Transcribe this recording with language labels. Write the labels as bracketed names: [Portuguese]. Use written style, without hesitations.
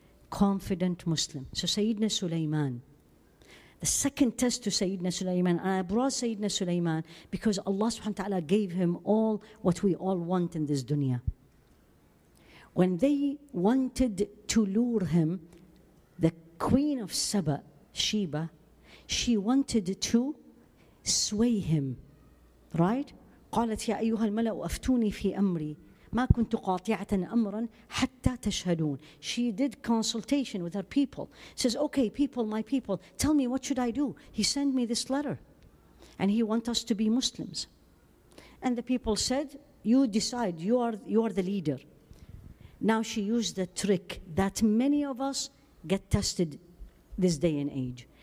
[English] Confident Muslim. So Sayyidina Sulaiman, the second test to Sayyidina Sulaiman, and I brought Sayyidina Sulaiman because Allah subhanahu wa ta'ala gave him all what we all want in this dunya. When they wanted to lure him, the queen of Saba, Sheba, she wanted to sway him, right? [Arabic] قالت يا أيها الملأ أفتوني في أمري ما كنت قاطعة أمرا حتى تشهدون. [English] She did consultation with her people. Says, okay, people, my people, tell me, what should I do? He sent me this letter and he wants us to be Muslims. And the people said, you decide, you are the leader. Now she used the trick that many of us get tested this day and age.